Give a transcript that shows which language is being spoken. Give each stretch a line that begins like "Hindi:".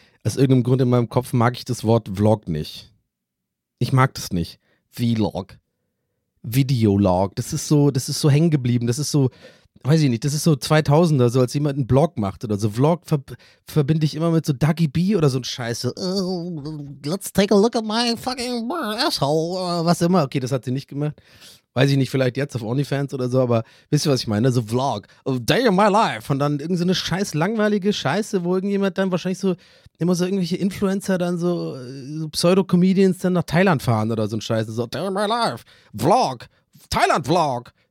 German: Aus irgendeinem Grund in meinem Kopf mag ich das Wort Vlog nicht. Ich mag das nicht. Vlog. Videolog. Das ist so hängen geblieben. Das ist so, weiß ich nicht, das ist so 2000er, so als jemand einen Blog macht oder so. Vlog verbinde ich immer mit so Dougie B oder so ein Scheiße.
English: Let's take a look at my fucking asshole.
German: Was immer. Okay, das hat sie nicht gemacht. Weiß ich nicht, vielleicht jetzt auf OnlyFans oder so, aber wisst ihr, was ich meine? So Vlog.
English: A day of my life.
German: Und dann irgendeine so scheiß langweilige Scheiße, wo irgendjemand dann wahrscheinlich so immer so irgendwelche Influencer dann so Pseudo-Comedians dann nach Thailand fahren oder so ein Scheiß. So, day of my life. Vlog. Thailand-Vlog.